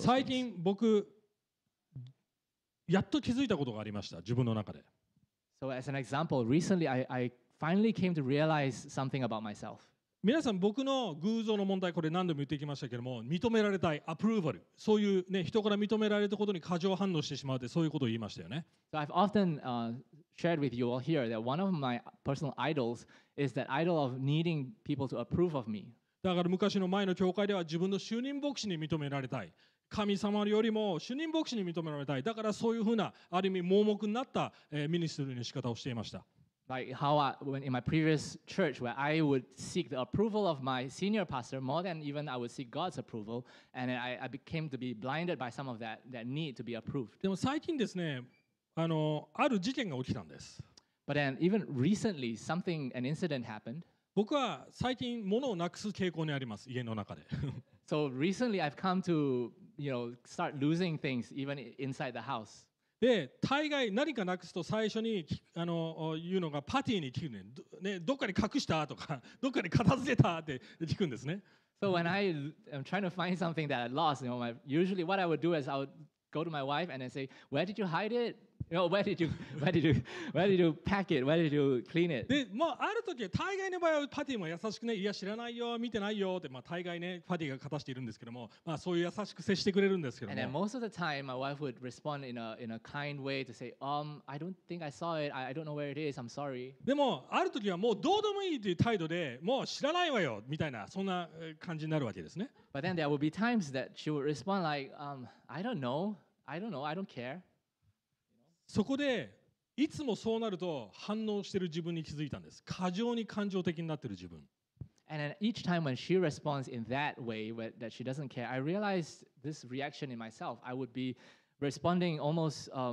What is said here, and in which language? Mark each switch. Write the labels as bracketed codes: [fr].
[en] things. [ja] 最近僕、やっと気づいたことがありました、自分の中で。 [en] So as an example, recently I finally came to realize something about myself. [ja] 皆さん僕の偶像の問題これ何度も言ってきましたけども認められたい approval そういうね人から認められたことに過剰反応してしまうってそういうことを言いましたよね。 [en] So I've often shared with you all here that one of my personal idols is that idol of needing people to approve of me. [ja] だから昔の前の教会では自分の主任牧師に認められたい神様よりも主任牧師に認められたいだからそういうふうなある意味盲目になった、ミニストリーの仕方をしていました。 [en] Like how I, when in my previous church, where I would seek the approval of my senior pastor more than even I would seek God's approval, and I became to be blinded by some of that need to be approved. [ja] でも最近ですね、ある事件が起きたんです。 [en] But then even recently, an incident happened. [ja] 僕は最近物をなくす傾向にあります、家の中で。 [en] So recently, I've come to start losing things even inside the house. [ja] で大概何かなくすと最初に言うのがパティに聞くね どっかに隠したとかどっかに片付けたって聞くんですね。 [en] So when I am trying to find something that I lost, usually what I would do is I would go to my wife and then say, where did you hide it? Where did you pack it? Where did you clean it? [ja] でまあある時大概の場合はパティも優しくねいや知らないよ見てないよってまあ大概ねパティが片しているんですけどもまあそういう優しく接してくれるんですけども。 [en] And then most of the time, my wife would respond in a kind way to say, I don't think I saw it. I don't know where it is. I'm sorry. [ja] でもある時はもうどうでもいいという態度でもう知らないわよみたいなそんな感じになるわけですね。 [en] But then there would be times that she would respond like, I don't know. I don't care. [ja] そこでいつもそうなると反応している自分に気づいたんです。過剰に感情的になっている自分。 [en] And then each time when she responds in that way, that she doesn't care, I realized this reaction in myself. I would be responding almost,